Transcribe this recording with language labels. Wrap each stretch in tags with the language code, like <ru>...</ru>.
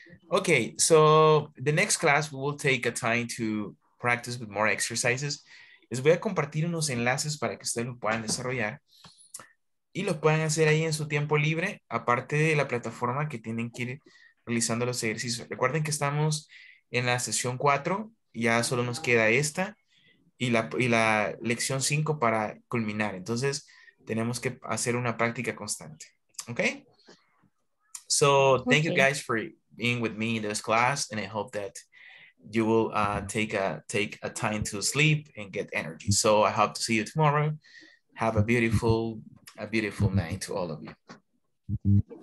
<en>Okay, so the next class we will take a time to practice with more exercises.</en> <es>Les voy a compartir unos enlaces para que ustedes lo puedan desarrollar. Y los puedan hacer ahí en su tiempo libre, aparte de la plataforma que tienen que ir realizando los ejercicios. Recuerden que estamos en la sesión 4, ya solo nos queda esta y la lección 5 para culminar. Entonces, tenemos que hacer una práctica constante. Okay?</es> <en>So, thank you guys for being with me in this class, and I hope that you will take a time to sleep and get energy. So, I hope to see you tomorrow. Have a beautiful night to all of you.</en>